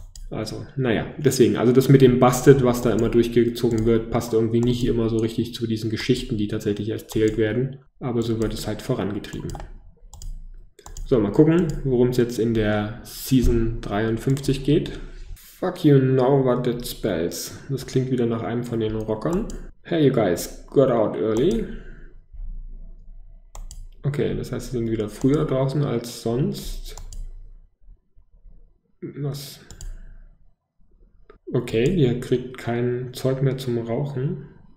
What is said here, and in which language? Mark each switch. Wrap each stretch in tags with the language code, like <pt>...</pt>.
<de>Also, naja, deswegen, also das mit dem Busted, was da immer durchgezogen wird, passt irgendwie nicht immer so richtig zu diesen Geschichten, die tatsächlich erzählt werden. Aber so wird es halt vorangetrieben. So, mal gucken, worum es jetzt in der Season 53 geht.</de> <en>Fuck you know what that spells.</en> <de>Das klingt wieder nach einem von den Rockern.</de> <en>Hey you guys, got out early.</en> <de>Okay, das heißt, sie sind wieder früher draußen als sonst. Was... Okay, ihr kriegt kein Zeug mehr zum Rauchen.</de>